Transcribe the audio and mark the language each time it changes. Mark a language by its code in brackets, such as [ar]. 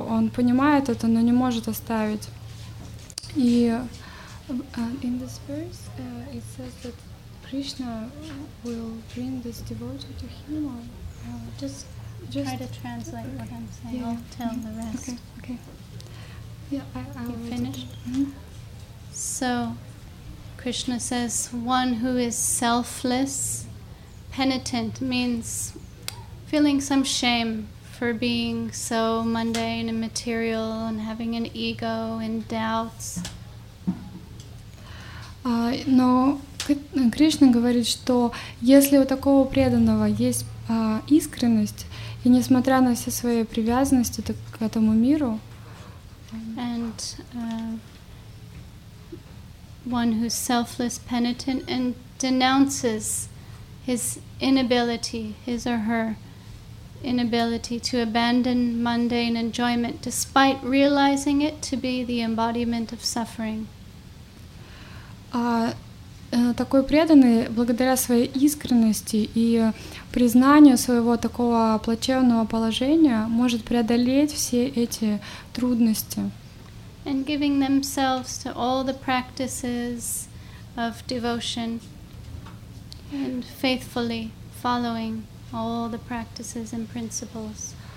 [ru] Он понимает это, но не может оставить. И [en] in this verse it says that Krishna will bring this devotee to him. Or, just try to translate what I'm saying. Yeah. I'll tell the rest. Okay. Yeah, I finished. So Krishna says, one who is selfless, penitent means feeling some shame for being so mundane and material and having an ego and doubts. [ru] Но Кришна говорит, что если у такого преданного есть искренность, и несмотря на все свои привязанности к этому миру, [en] and one who's selfless, penitent, and denounces his inability, his or her inability to abandon mundane enjoyment, despite realizing it to be the embodiment of suffering. [ru] А такой преданный, благодаря своей искренности и признанию своего такого плачевного положения, может преодолеть все эти трудности. [en] And giving themselves to all the practices of devotion and faithfully following all the practices and principles.